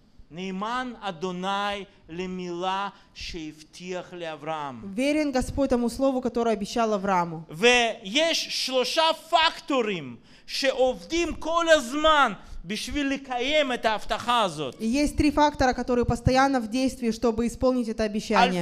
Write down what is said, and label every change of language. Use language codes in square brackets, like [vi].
[he] נאמן אדוני למילה שהבטיח לאברהם. [ru] Верен Господь тому слову, которое обещал Аврааму. [he] ויש שלושה פקטורים שעובדים כל הזמן בשביל לקיים את ההבטחה הזאת. [ru] Есть три фактора, которые постоянно в действии, чтобы исполнить это обещание.